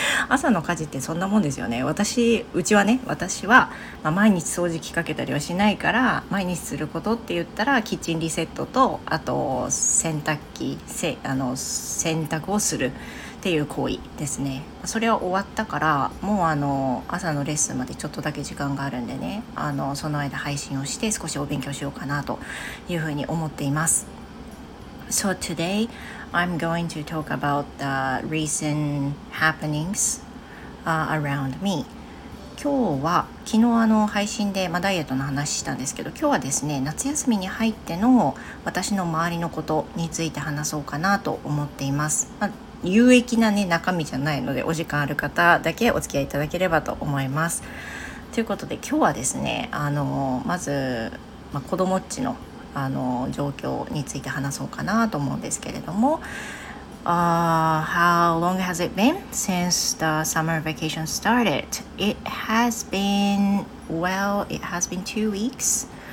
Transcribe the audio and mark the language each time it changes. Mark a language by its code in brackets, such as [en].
[ja] 朝の家事ってそんなもんですよね。私は、まあ、毎日掃除機かけたりはしないから、毎日することって言ったらキッチンリセットと、あと洗濯機、洗濯をするっていう行為ですね。それは終わったから、もう朝のレッスンまでちょっとだけ時間があるんでね、その間配信をして少しお勉強しようかなというふうに思っています。 [en] So todayI'm going to talk about the recent happenings around me. [ja] 今日は、昨日配信で、ダイエットの話したんですけど、今日はですね、夏休みに入っての私の周りのことについて話そうかなと思っています。有益な、中身じゃないので、お時間ある方だけお付き合いいただければと思います。ということで、今日はですね、まず、子供っちの状況について話そうかなと思うんですけれども、 [en] How long has it been since the summer vacation started? It has been, well, it has been 2 weeks.